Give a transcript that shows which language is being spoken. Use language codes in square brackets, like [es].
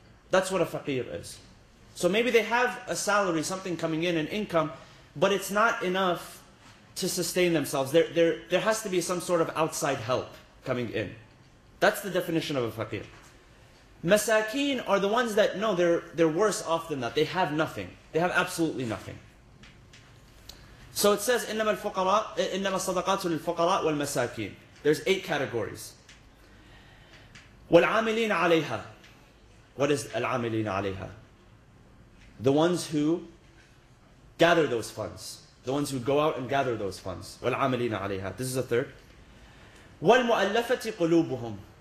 [en] That's what a faqir is. So maybe they have a salary, something coming in, an income, but it's not enough to sustain themselves. There has to be some sort of outside help coming in. That's the definition of a faqir. Masakin are the ones that, no, they're worse off than that. They have nothing. They have absolutely nothing. So it says, [ar] إِنَّمَا الصَّدَقَاتُ لِلْفُقَرَاءِ وَالْمَسَاكِينَ. [en] There's eight categories. [ar] وَالْعَامِلِينَ عَلَيْهَا. [en] What is [ar] الْعَامِلِينَ عَلَيْهَا? [en] The ones who gather those funds. The ones who go out and gather those funds. [ar] وَالْعَامِلِينَ عَلَيْهَا. [en] This is the third. [ar] وَالْمُؤَلَّفَةِ قُلُوبُهُمْ.